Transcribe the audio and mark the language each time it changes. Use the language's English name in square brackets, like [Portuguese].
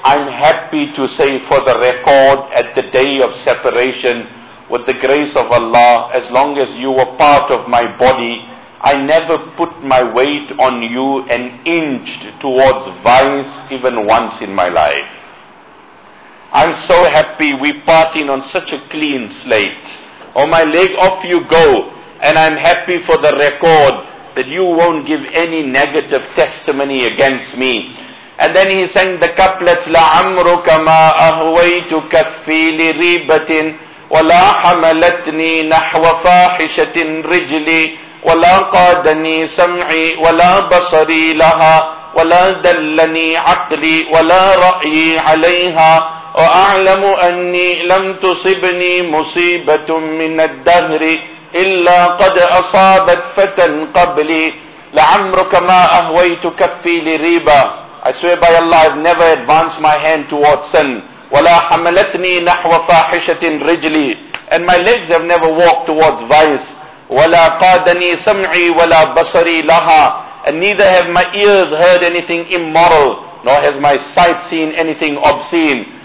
[English] I'm happy to say for the record at the day of separation, with the grace of Allah, as long as you were part of my body, I never put my weight on you an inch towards vice even once in my life. I'm so happy we parting on such a clean slate. Oh my leg, off you go. And I'm happy for the record that you won't give any negative testimony against me. And then he sang the couplet, [Arabic] La amruka ma ahwaytu kaffi li ribatin wala hamalatni nahwa fahishatin rijli وَلَا قَادَنِي سَمْعِي وَلَا بَصَرِي لَهَا وَلَا دَلَّنِي عَقْلِي وَلَا رَأْيِي عَلَيْهَا وَأَعْلَمُ أَنِّي لَمْ تُصِبْنِي مُصِيبَةٌ مِّنَ الدَّهْرِ إِلَّا قَدْ أَصَابَتْ فَتًا قَبْلِي لَعَمْرُكَ مَا أَهْوَيْتُ كَفِّي لِرِيبَا. [English] I swear by Allah, I've never advanced my hand towards sin. [Arabic] وَلَا حَمَلَتْنِي نَحْوَ فَاحِشَةٍ رِجْلِي. [English] And my legs have never walked towards vice. [Arabic] وَلَا قَادَنِي سَمْعِي وَلَا بَصَرِي لَهَا. [English] And neither have my ears heard anything immoral, nor has my sight seen anything obscene.